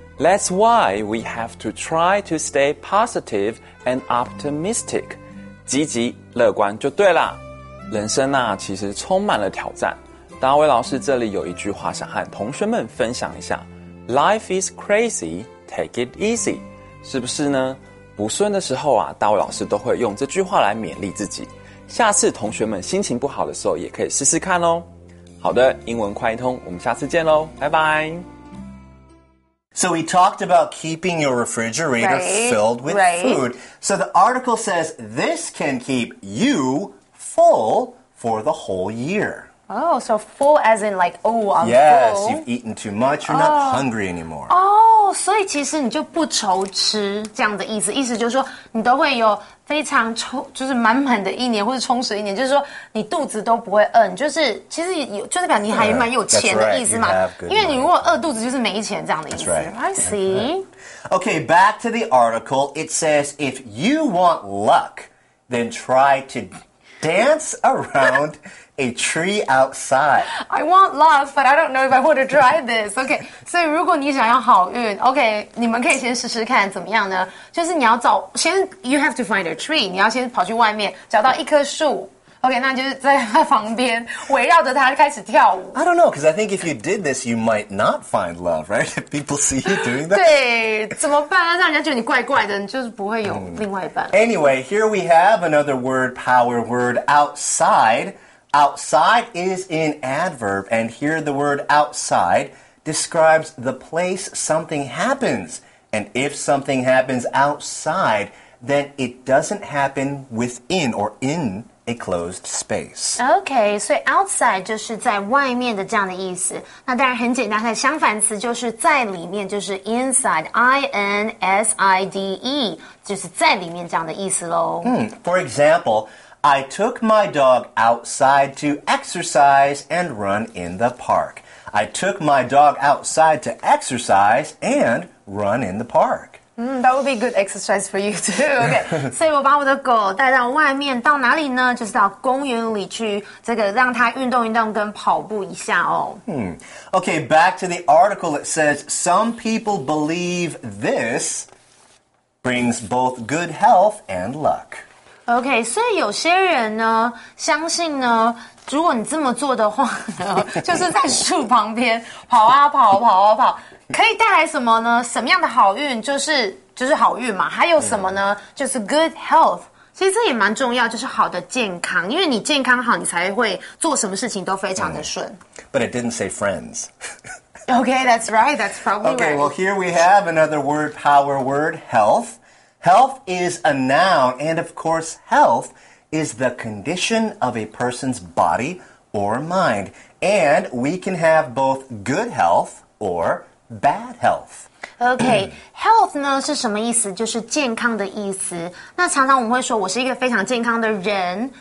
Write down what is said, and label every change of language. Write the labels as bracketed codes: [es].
[en] That's why we have to try to stay positive and optimistic. [zh] 积极乐观就对啦。人生啊，其实充满了挑战。大卫老师这里有一句话想和同学们分享一下。 [en] Life is crazy, take it easy. [zh] 是不是呢？不顺的时候啊，大卫老师都会用这句话来勉励自己。下次同学们心情不好的时候也可以试试看哦。好的，英文快一通，我们下次见咯，拜拜。 [en] So we talked about keeping your refrigerator filled with food. So the article says this can keep you full for the whole year. Oh, so full as in like, oh, I'm full. Yes, you've eaten too much, you're not hungry anymore. [zh] Oh, 所以其实你就不愁吃这样的意思。意思就是说你都会有非常充，就是满满的一年或者充实一年，就是说你肚子都不会饿，就是其实有，就是表示你还蛮有钱的意思嘛。因为你如果饿肚子就是没钱这样的意思。 [en] That's right. I see. Okay, back to the article. It says, if you want luck, then try to dance around a tree outside. I want luck, but I don't know if I want to try this. [zh] Okay, 所以如果你想要好运 okay, 你们可以先试试看怎么样呢？就是你要找先 [en] you have to find a tree. [zh] 你要先跑去外面找到一棵树 okay, 那就是在它旁边围绕着它开始跳舞。 [en] I don't know, because I think if you did this, you might not find love, right? If people see you doing that. [zh] 对，怎么办啊？让人家觉得你怪怪的，你就是不会有另外一半。 [en] Anyway, here we have another word, power word, outside. Outside is an adverb, and here the word outside describes the place something happens. And if something happens outside, then it doesn't happen within or in a closed space. [zh] Okay, so outside 就是在外面的这样的意思。那当然很简单，它的相反词就是在里面，就是 inside, I-N-S-I-D-E, 就是在里面这样的意思咯。 [en] For example,I took my dog outside to exercise and run in the park. I took my dog outside to exercise and run in the park. That would be good exercise for you too. [zh] Okay, 所以我把我的狗带到外面，到哪里呢？就是到公园里去，这个让它运动运动跟跑步一下哦。 [en] Okay, back to the article. It says, some people believe this brings both good health and luck. [zh] OK, 所以有些人呢相信呢如果你这么做的话呢就是在树旁边跑啊跑跑啊跑可以带来什么呢什么样的好运就是好运嘛还有什么呢就是 good health, 其实这也蛮重要就是好的健康因为你健康好你才会做什么事情都非常的顺。 [en] But it didn't say friends. Okay, that's right, that's probably okay, right. Okay, well here we have another word, power word, health. Health is a noun, and of course, health is the condition of a person's body or mind. And we can have both good health or bad health. [zh] Okay, health 呢是什么意思？就是健康的意思。那常常我们会说我是一个非常健康的人。